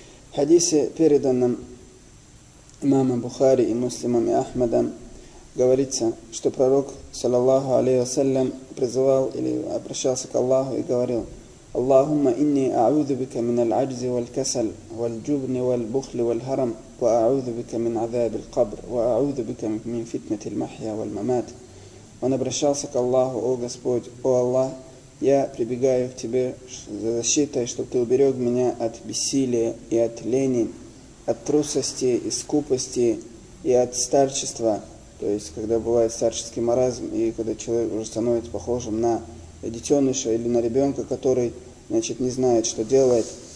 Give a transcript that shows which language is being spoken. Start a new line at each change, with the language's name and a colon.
Russian: В хадисе, переданном имамом Бухари и муслимом и Ахмадом, говорится, что пророк, саллаллаху алейхи вассалям, призывал или обращался к Аллаху и говорил:
Arabic: «Аллахумма инни аузу бика миналь аджзи валь касаль, валь джубни валь бухли валь харам, وأعوذ بك من عذاب القبر وأعوذ بك من فتنة المحيا والممات.
Russian: Он обращался к Аллаху: «О Господь, о Аллах, я прибегаю к Тебе за защитой, чтобы Ты уберег меня от бессилия и от лени, от трусости и скупости и от старчества». То есть, когда бывает старческий маразм, и когда человек уже становится похожим на детеныша или на ребенка, который, значит, не знает, что делает.